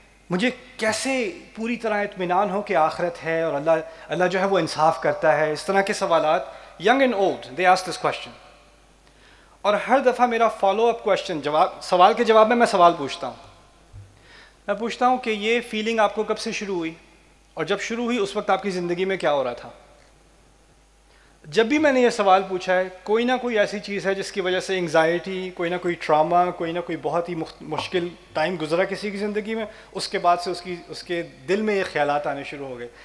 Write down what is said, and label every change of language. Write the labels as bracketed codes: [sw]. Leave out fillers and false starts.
[ur] مجھے کیسے پوری طرح اطمینان ہو کہ آخرت ہے اور اللہ جو ہے وہ انصاف کرتا ہے. اس طرح کے سوالات, [en] Young and old, they ask this question. [ur] اور ہر دفعہ میرا فالو اپ کوشچن, جواب سوال کے جواب میں میں سوال پوچھتا ہوں. میں پوچھتا ہوں کہ یہ فیلنگ آپ کو کب سے شروع ہوئی, اور جب شروع ہوئی اس وقت آپ کی زندگی میں کیا ہو رہا تھا. جب بھی میں نے یہ سوال پوچھا ہے, کوئی نہ کوئی ایسی چیز ہے جس کی وجہ سے انگزائٹی, کوئی نہ کوئی ٹراما, کوئی نہ کوئی بہت ہی مشکل ٹائم گزرا کسی کی زندگی میں, اس کے بعد سے اس کے دل میں یہ خیالات آنے شروع ہو گئے.